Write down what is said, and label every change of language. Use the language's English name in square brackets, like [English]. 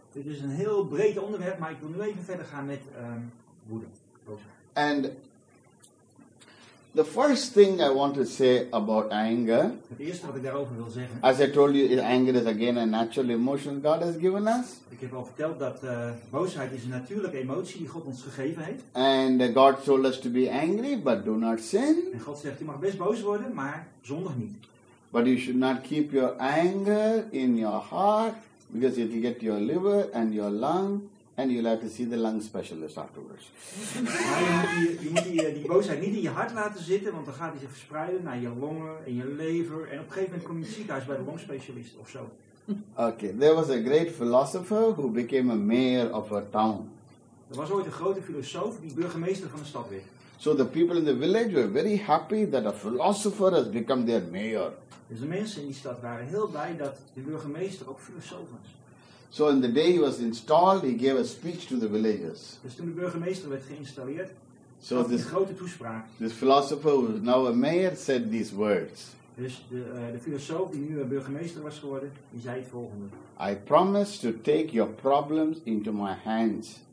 [Dutch] Dit is een heel breed onderwerp, maar ik wil nu even verder gaan met woede. [English] And the first thing I want to say about anger, [Dutch] het eerste wat ik daarover wil zeggen, [English] as I told you, anger is again a natural emotion God has given us. [Dutch] Ik heb al verteld dat boosheid is een natuurlijke emotie die God ons gegeven heeft. [English] And God told us to be angry, but do not sin. [Dutch] En God zegt, je mag best boos worden, maar zondig niet. [English] But you should not keep your anger in your heart. Because it will get your liver and your lung, and you'll have to see the lung specialist afterwards. [Dutch] je moet die boosheid niet in je hart laten zitten, want dan gaat die zich verspreiden naar je longen en je lever. En op een gegeven moment kom je in het ziekenhuis bij de longspecialist of zo. [English] Okay, there was a great philosopher who became a mayor of a town. [Dutch] Er was ooit een grote filosoof die burgemeester van een stad werd. [English] So the people in the village were very happy that a philosopher has become their mayor. [Dutch] Dus de mensen in die stad waren heel blij dat de burgemeester ook filosoof was. [English] So in the day he was installed, he gave a speech to the villagers. [Dutch] Dus toen de burgemeester werd geïnstalleerd, so had hij een grote toespraak. [English] This philosopher who is now a mayor said these words. [Dutch] Dus de filosoof die nu een burgemeester was geworden, die zei het volgende. [English] I promise to take your problems into my hands,